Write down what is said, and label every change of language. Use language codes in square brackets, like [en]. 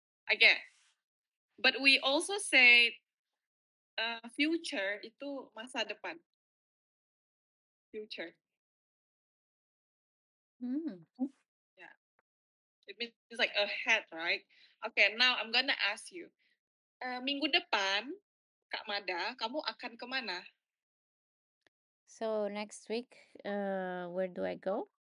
[en] Again, but we also say future [id] itu masa depan. [en] Future. Yeah, it means like ahead, right? Okay, now I'm gonna ask you. [id] Minggu depan, Kak Mada, kamu akan kemana? [en] So next week, where do I go?